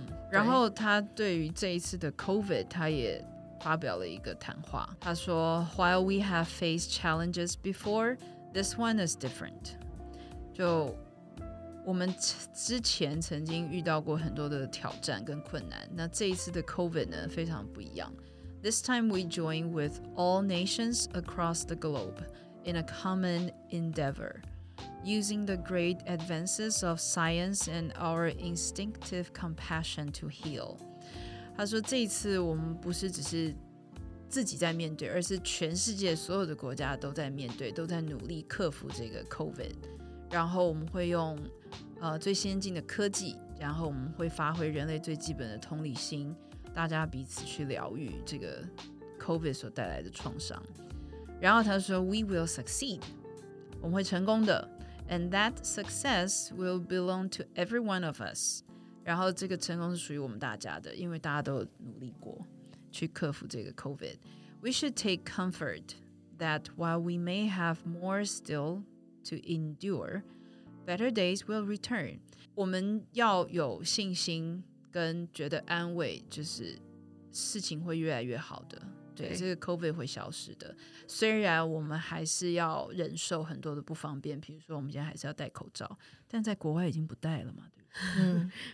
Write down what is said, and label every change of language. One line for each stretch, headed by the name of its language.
Chinese: 然后他对于这一次的 COVID 他也发表了一个谈话，他说
English: While we have faced challenges before, this one is different.
Chinese: 就我们之前曾经遇到过很多的挑战跟困难，那这一次的 COVID 呢非常不一样。
English: This time we join with all nations across the globe in a common endeavor, using the great advances of science and our instinctive compassion to heal.
Chinese: 他说这一次我们不是只是自己在面对，而是全世界所有的国家都在面对，都在努力克服这个 COVID。然后我们会用、最先进的科技，然后我们会发挥人类最基本的同理心，大家彼此去疗愈这个 COVID 所带来的创伤。然后他说
English: We will succeed，
Chinese: 我们会成功的。
English: And that success will belong to every one of us，
Chinese: 然后这个成功是属于我们大家的，因为大家都努力过去克服这个 COVID。
English: We should take comfort that while we may have more still to endure, better days will return.
Chinese: 我们要有信心跟觉得安慰，就是事情会越来越好的。对， 对，这个 COVID 会消失的，虽然我们还是要忍受很多的不方便，比如说我们现在还是要戴口罩，但在国外已经不戴了嘛，对不对？